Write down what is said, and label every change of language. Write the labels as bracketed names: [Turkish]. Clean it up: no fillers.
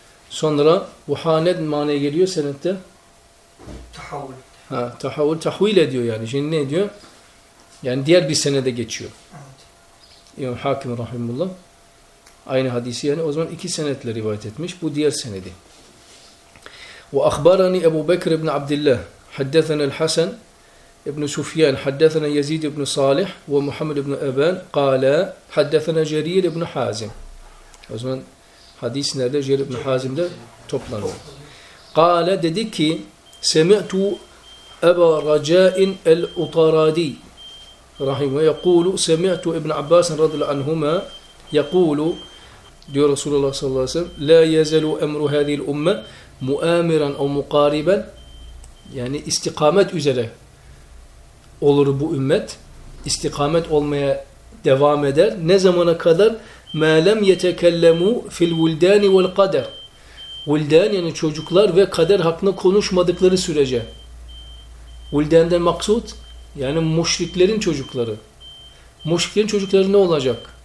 [Turkish] Sonra bu haned manaya geliyor senette? Tahavvül. Ha, tahavvül, tahvil ediyor yani. Şimdi ne diyor? Yani diğer bir senede geçiyor. Evet. İmam Hakim rahimullah. Aynı hadisi yani. O zaman iki senetle rivayet etmiş. Bu diğer senedi. [Arabic] وَأَخْبَرَنِي أَبُوْ بَكْرِ بْنِ عَبْدِ اللّٰهِ حَدَّثَنَا الْحَسَنِ بْنُ سُفْيَانِ حَدَّثَنَا يَزِيدِ بْنُ صَالِحِ وَمُحَمَّدِ بْنُ اَبَانِ قَالَا حَدَّثَنَا جَرِيرِ بْنُ حَازِمِ. [Turkish] O zaman hadis nerede? Cerir ibn-i Hazim'de toplanıyor. [Arabic] قَالَا [Turkish] dedi ki [Arabic] سَمِعْتُ أَبَا رَجَاءٍ الْعُطَرَادِي رَحِمُهُ يَقُولُ سَمِعْتُ اِبْنِ عَبَّاسٍ رَضِ الْعَنْهُمَا يَقُولُ diyor Resulullah sallallahu aleyhi ve sellem لَا يَزَلُوا أَمْرُ هَذِي الْأُمَّةِ مُؤَامِرًا اَوْ مُقَارِبًا [Turkish] yani istikamet üzere olur bu ümmet, istikamet olmaya devam eder. Ne zamana kadar? [Arabic] مَا لَمْ يَتَكَلَّمُوا فِي الْوُلْدَانِ وَالْقَدَرِ [Turkish] Vuldan yani çocuklar ve kader hakkında konuşmadıkları sürece. Vuldan'dan maksut yani müşriklerin çocukları. Müşriklerin çocukları ne olacak?